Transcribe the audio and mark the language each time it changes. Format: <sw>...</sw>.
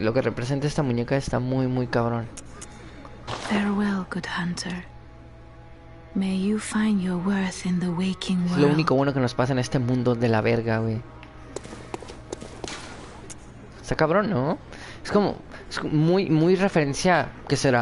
<es>Lo que representa esta muñeca está muy, muy cabrón.</es> <en>Farewell, good hunter. May you find your worth in the waking world.</en> <es>Es lo único bueno que nos pasa en este mundo de la verga, güey. Está cabrón, ¿no? Es muy, muy referencia, ¿qué será?</es>